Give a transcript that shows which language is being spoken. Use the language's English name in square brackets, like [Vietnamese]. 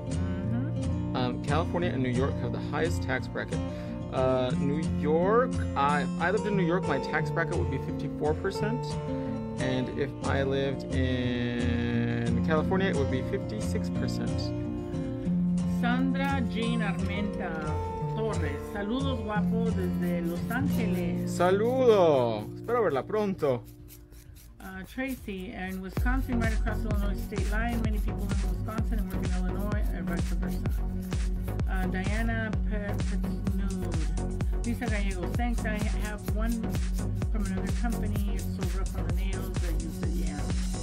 [English] Mm-hmm. California and New York have the highest tax bracket. New York, I lived in New York, my tax bracket would be 54%, and if I lived in California, it would be 56%. [Spanish] Sandra Jean Armenta Torres, saludos guapo desde Los Angeles. Saludo, espero verla pronto. [English] Tracy, in Wisconsin, right across the Illinois state line, many people live in Wisconsin and work in Illinois, and vice versa. Diana Petnood, Lisa Gallegos, thanks, I have one from another company, it's so rough on the nails that you said, yeah.